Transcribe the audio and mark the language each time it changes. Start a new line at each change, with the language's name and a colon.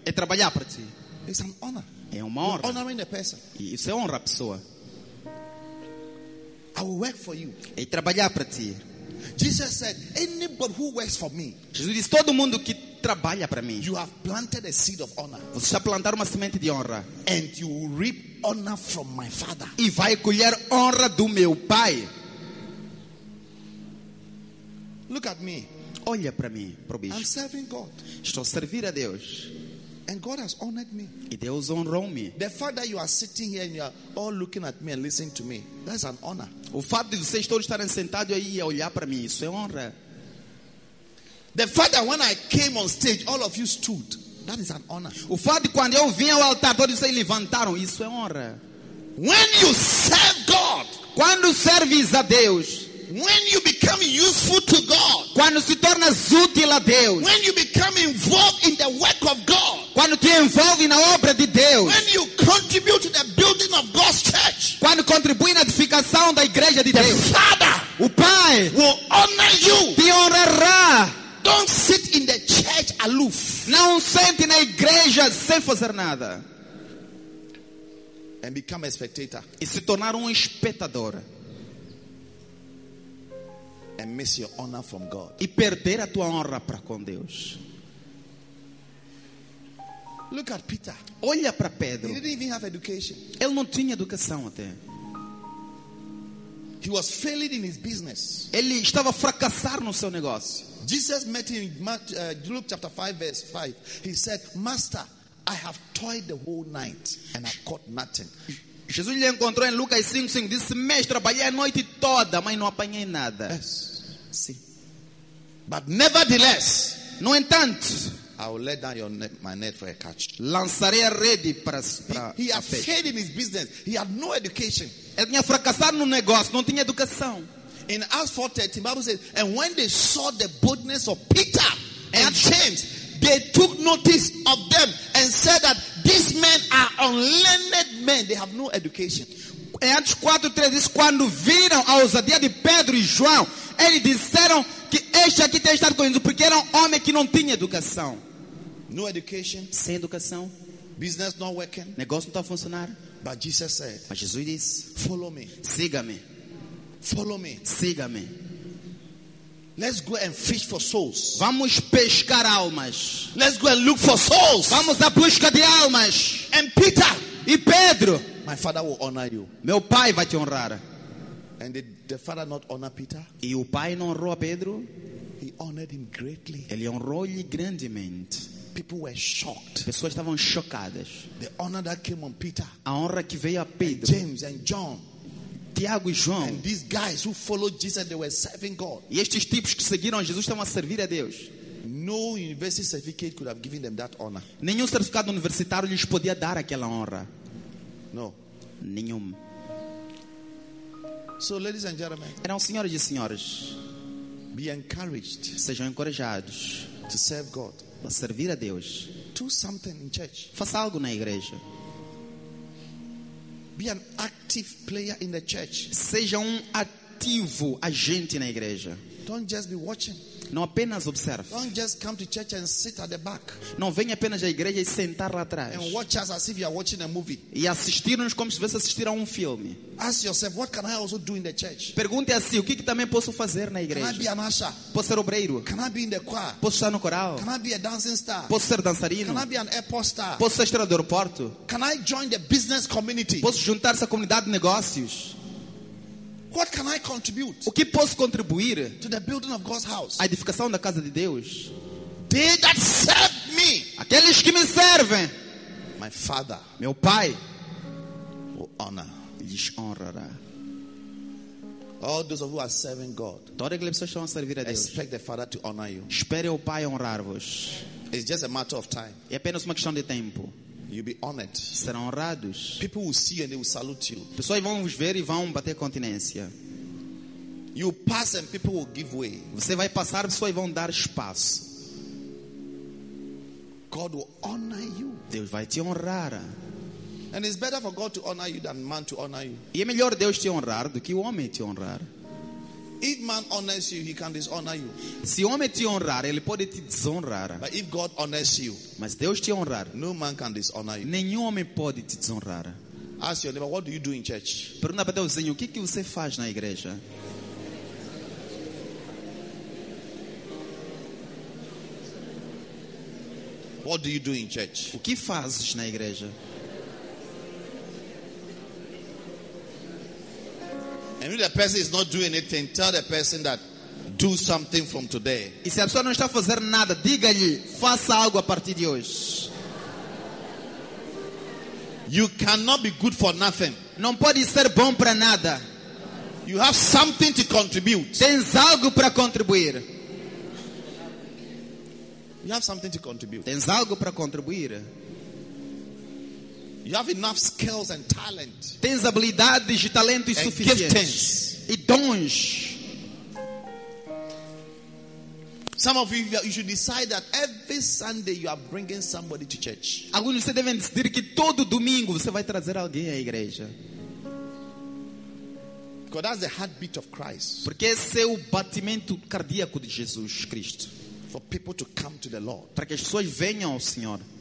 Portuguese: É trabalhar para ti.
English: It's an honor.
Portuguese: É uma honra.
English: You're honoring the person.
Portuguese: Isso é honra a pessoa.
English: I will work for you.
Portuguese: É trabalhar para ti.
English: Jesus said, anybody who works for me.
Portuguese: Jesus disse, todo mundo que trabalha para mim.
English: You have planted a seed of honor.
Portuguese: Você está plantando uma semente de honra.
English: And you will reap honor from my Father.
Portuguese: E vai colher honra do meu Pai.
English: Look at me.
Portuguese: Olha para mim, pro bicho.
English: I'm serving God.
Portuguese: Estou a servir a Deus.
English: And God has honored me.
Portuguese: E Deus honrou me.
English: The fact that you are sitting here and you are all looking at me and listening to me, that's an honor.
Portuguese: O fato de vocês todos estarem sentados aí e olhar para mim, isso é honra.
English: The fact that when I came on stage, all of you stood, that is an honor.
Portuguese: O fato de quando eu vim ao altar, todos vocês levantaram, isso é honra.
English: When you serve God,
Portuguese: quando serves a Deus.
English: When you become useful to God,
Portuguese: quando se tornas útil a Deus.
English: When you become involved in the work of God,
Portuguese: quando te envolves na obra de Deus.
English: When you contribute to the building of God's church,
Portuguese: quando contribui na edificação da igreja de Deus.
English: The Father,
Portuguese: o Pai,
English: will honor you.
Portuguese: Te honrará.
English: Don't sit in the church aloof.
Portuguese: Não sente na igreja sem fazer nada.
English: And become a spectator.
Portuguese: E se tornar espectador.
English: And miss your honor from God.
Portuguese: E perder a tua honra para com Deus.
English: Look at Peter.
Portuguese: Olha para Pedro.
English: He didn't even have education.
Portuguese: Ele não tinha educação até.
English: He was failing in his business.
Portuguese: Ele estava a fracassar no seu negócio.
English: Jesus met him in Luke chapter 5 verse 5. He said, "Master, I have toiled the whole night and I caught nothing."
Portuguese: Jesus lhe encontrou em Lucas 5:5, disse: "Mestre, trabalhei a noite toda, mas não apanhei nada."
English: Yes. Sim. But nevertheless,
Portuguese: no entanto,
English: I will let down my net for a catch.
Portuguese: Lançarei a rede para pra.
English: He had failed in his business. He had no education.
Portuguese: Ele tinha fracassado no negócio, não tinha educação.
English: In Acts 4:30, the Bible says, "And when they saw the boldness of Peter and James, they took notice of them said that these men are unlearned men. They have no education.
Portuguese: Em Atos 4:3 diz, quando viram a ousadia de Pedro e João, eles disseram que este aqui tem estado com Jesus, porque era um homem que não tinha educação.
English: No education.
Portuguese: Sem educação.
English: Business not working.
Portuguese: Negócio não está funcionando.
English: But Jesus said.
Portuguese: Mas Jesus disse,
English: follow me.
Portuguese: Siga-me.
English: Follow me.
Portuguese: Siga-me.
English: Let's go and fish for souls.
Portuguese: Vamos pescar almas.
English: Let's go and look for souls.
Portuguese: Vamos à busca de almas.
English: And Peter.
Portuguese: E Pedro.
English: My father will honor you.
Portuguese: Meu pai vai te honrar.
English: And the father not honor Peter?
Portuguese: E o pai não honrou a Pedro?
English: He honored him greatly.
Portuguese: Ele honrou-lhe grandemente.
English: People were shocked.
Portuguese: Pessoas estavam chocadas.
English: The honor that came on Peter.
Portuguese: A honra que veio a Pedro.
English: And James and John.
Portuguese: Tiago e João.
English: And these guys who followed Jesus, they were serving God.
Portuguese: E estes tipos que seguiram Jesus estavam a servir a Deus.
English: No university certificate could have given them that honor.
Portuguese: Nenhum certificado universitário lhes podia dar aquela honra.
English: No.
Portuguese: Nenhum.
English: So, ladies and gentlemen,
Portuguese: eram senhoras e senhores,
English: be encouraged,
Portuguese: sejam encorajados,
English: to serve God,
Portuguese: a servir a Deus,
English: do something in church,
Portuguese: faça algo na igreja,
English: be an active player in the church,
Portuguese: seja ativo agente na igreja,
English: don't just be watching.
Portuguese: Não apenas observe.
English: Don't just come to church and sit at the back.
Portuguese: Não venha apenas à igreja e sentar lá atrás.
English: And watch us as if you are watching a movie.
Portuguese: E assistir-nos como se estivesse assistir a filme.
English: Ask yourself, what can I also do in the church?
Portuguese: Pergunte a si, o que também posso fazer na igreja?
English: Can I be an usher?
Portuguese: Posso ser obreiro?
English: Can I be in the choir?
Portuguese: Posso estar no coral?
English: Can I be a dancing star?
Portuguese: Posso ser dançarino?
English: Can I be an airport star?
Portuguese: Posso ser estrela do aeroporto?
English: Can I join the business community?
Portuguese: Posso juntar-se à comunidade de negócios?
English: What can I contribute?
Portuguese: O que posso contribuir?
English: To the building of God's house.
Portuguese: A edificação da casa de Deus.
English: They that serve me.
Portuguese: Aqueles que me servem.
English: My father.
Portuguese: Meu pai.
English: Will honor.
Portuguese: Lhes honrará.
English: All those of who are serving God.
Portuguese: Todas aquelas pessoas que estão a servir a Deus.
English: Expect the father to honor you.
Portuguese: Espere o pai honrar-vos.
English: It's just a matter of time.
Portuguese: É apenas uma questão de tempo.
English: You'll be honored.
Portuguese: Serão honrados.
English: People will see and they will salute you.
Portuguese: Pessoas vão vos ver e vão bater continência.
English: You pass and people will give way.
Portuguese: Você vai passar, pessoas vão dar espaço.
English: God will honor you.
Portuguese: Deus vai te honrar.
English: And it's better for God to honor you than man to honor you.
Portuguese: E é melhor Deus te honrar do que o homem te honrar.
English: If man honors you, he can dishonor you.
Portuguese: Se o homem te honrar, ele pode te desonrar.
English: But if God honors you,
Portuguese: mas Deus te honrar,
English: no man can dishonor you.
Portuguese: Nenhum homem pode te desonrar.
English: Ask your neighbor, what do you do in church?
Portuguese: Pergunta para o vizinho, o que você faz na igreja?
English: What do you do in church?
Portuguese: O que fazes na igreja?
English: And if the person is not doing anything, tell the person that do something from today.
Portuguese: E se a pessoa não está a fazer nada, diga-lhe, faça algo a partir de hoje.
English: You cannot be good for nothing.
Portuguese: Não pode ser bom para nada.
English: You have something to contribute.
Portuguese: Tens algo para contribuir.
English: You have something to contribute.
Portuguese: Tens algo para contribuir.
English: You have enough skills and talent.
Portuguese: Tens habilidades e talento suficiente. E dons.
English: Some of you, you should decide that every Sunday you are bringing somebody to church.
Portuguese: Alguns de vocês devem decidir que todo domingo você vai trazer alguém à igreja.
English: Because that's the heartbeat of Christ.
Portuguese: Porque esse é o batimento cardíaco de Jesus Cristo.
English: For people to come to the Lord.
Portuguese: Para que as pessoas venham ao Senhor.